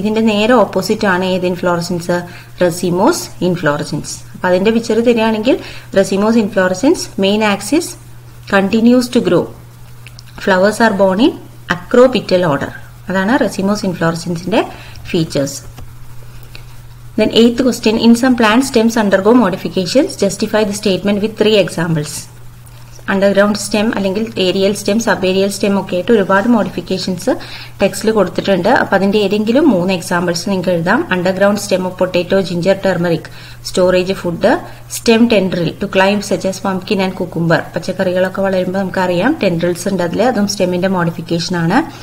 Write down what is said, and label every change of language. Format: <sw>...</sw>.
<ml>ഇതിന്റെ നേരെ ഓപ്പോസിറ്റ് ആണ് ഏത് ഇൻഫ്ലോറസിൻസ്? റെസിമോസ് ഇൻഫ്ലോറസിൻസ്. അപ്പൊ അതിന്റെ പിക്ചർ തരികയാണെങ്കിൽ</ml> <en>Racemose inflorescence main axis continues to grow. Flowers are borne in acropetal order.</en> <ml>അതാണ് racemose ഇൻഫ്ലോറസിൻസിന്റെ features.</ml> <en>Then eighth question, in some plant stems undergo modifications, justify the statement with three examples.</en> <ml>Underground stem അല്ലെങ്കിൽ aerial stem sub aerial stem ഒക്കെ ആയിട്ട് ഒരുപാട് modifications ടെക്സ്റ്റിൽ കൊടുത്തിട്ടുണ്ട്. അപ്പൊ അതിന്റെ ഏതെങ്കിലും മൂന്ന് എക്സാമ്പിൾസ് നിങ്ങൾക്ക് എഴുതാം.</ml> <en>Underground stem of potato, ginger, turmeric, storage food, stem tendril to climb such as pumpkin and cucumber.</en> <ml>പച്ചക്കറികളൊക്കെ വളരുമ്പോൾ നമുക്കറിയാം ടെൻഡ്രിൽസ് ഉണ്ട് അതിൽ, അതും സ്റ്റെമിന്റെ മോഡിഫിക്കേഷൻ ആണ്.</ml>